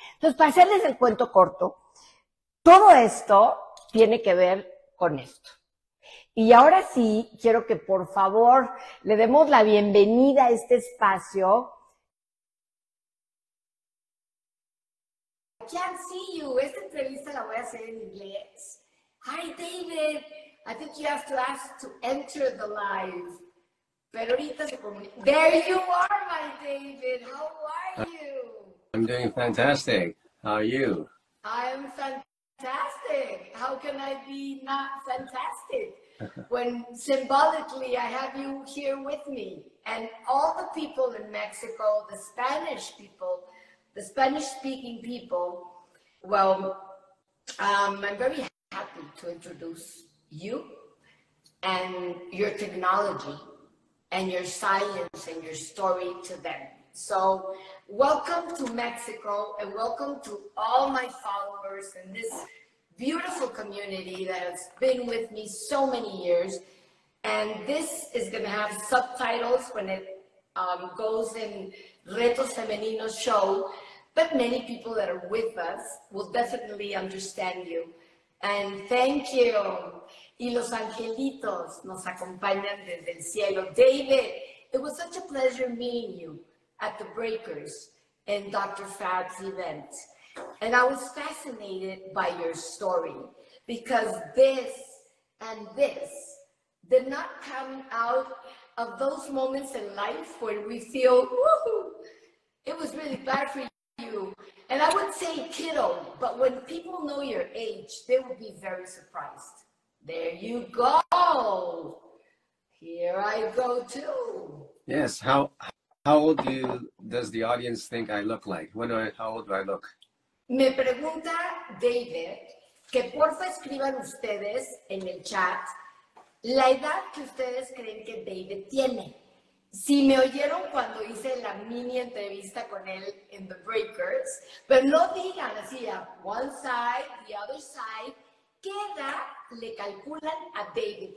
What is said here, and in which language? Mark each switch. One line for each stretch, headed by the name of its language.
Spanish: Entonces, para hacerles el cuento corto, todo esto tiene que ver con esto. Y ahora sí, quiero que por favor le demos la bienvenida a este espacio.
English: I can't see you.
Spanish: Esta entrevista la voy a hacer en inglés.
English: Hi, David. I think you have to ask to enter the live.
Spanish: Pero ahorita se comunica.
English: There you are, my David. How are you? I'm doing fantastic. How are you? I'm fantastic. Fantastic! How can I be not fantastic when symbolically I have you here with me and all the people in Mexico, the Spanish people, the Spanish-speaking people? Well, I'm very happy to introduce you and your technology and your science and your story to them. So, welcome to Mexico and welcome to all my followers in this beautiful community that has been with me so many years. And this is going to have subtitles when it goes in Reto Femenino show, but many people that are with us will definitely understand you. And thank you.
Spanish: Y los angelitos nos acompañan desde el cielo.
English: David, it was such a pleasure meeting you at the Breakers and Dr. Fab's event. And I was fascinated by your story because this and this did not come out of those moments in life when we feel, woohoo, it was really bad for you. And I would say kiddo, but when people know your age, they will be very surprised. There you go. Here I go too. Yes, how old does the audience think I look like? How old do I look?
Spanish: Me pregunta David que porfa escriban ustedes en el chat la edad que ustedes creen que David tiene. Sí, me oyeron cuando hice la mini entrevista con él en The Breakers, pero no digan así
English: a one side, the other side,
Spanish: ¿qué edad le calculan a David?